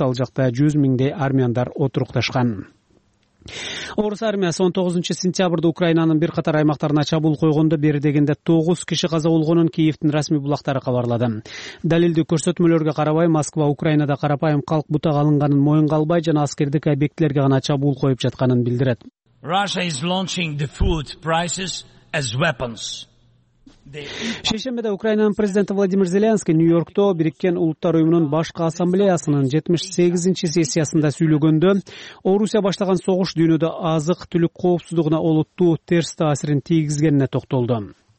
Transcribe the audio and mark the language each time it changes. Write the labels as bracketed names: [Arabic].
[Kyrgyz] Ал жакта 100 000 армяндар отурукташкан. Орус армиясы 19 сентябрда Украинанын бир катар аймактарына чабуул койгондо бери дегенде 9 киши каза болгонун Киевдин расмий булактары кабарлады. Далилдүү көрсөтмөлөргө карабай, Москва Украинада карапайым калк бутага алынганын моюнга албай жана аскердик объектилерге гана чабуул коюп жатканын билдирет. [English] Russia is launching the food prices as weapons. [Kyrgyz] Шейшембиде Украинанын президенти Владимир Зеленский Нью-Йоркто Бириккен Улуттар Уюмунун башкы ассамблеясынын 78-нчи сессиясында сүйлөгөндө Орусия баштаган согуш дүйнөдө азык түлүк коопсуздугуна олуттуу терс таасирин тийгизгенине токтолду.